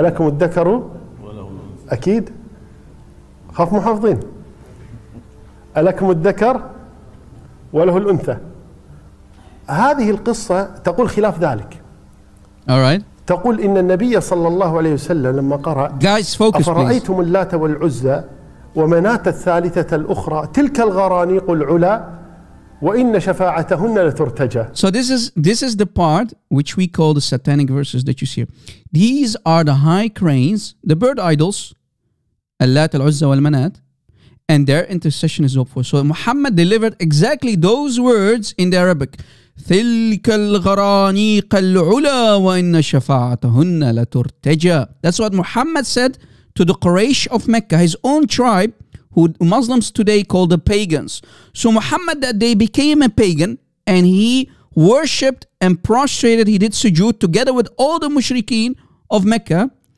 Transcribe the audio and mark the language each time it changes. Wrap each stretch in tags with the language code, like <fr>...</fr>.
<ar>ألكم الذكر أكيد خاف محافظين ألكم الذكر وله الأنثى هذه القصة تقول خلاف ذلك</ar> <en>alright</en> <ar>تقول إن النبي صلى الله عليه وسلم لما قرأ</ar> <en>guys focus</en> <ar>أفرأيتم اللات والعزة ومناة الثالثة الأخرى تلك الغرانيق العلا وإن شفاعتهن لترتجى.</ar> <en>So this is the part which we call the satanic verses that you see. These are the high cranes, the bird idols, اللات العزة والمناة, and their intercession is hoped for. So Muhammad delivered exactly those words in the Arabic.</en> <ar>تلك الغرانيق العلا وإن شفاعتهن لترتجى.</ar> <en>That's what Muhammad said to the Quraysh of Mecca, his own tribe, who Muslims today call the pagans. So Muhammad that day became a pagan, and he worshipped and prostrated, he did sujood together with all the mushrikeen of Mecca.</en>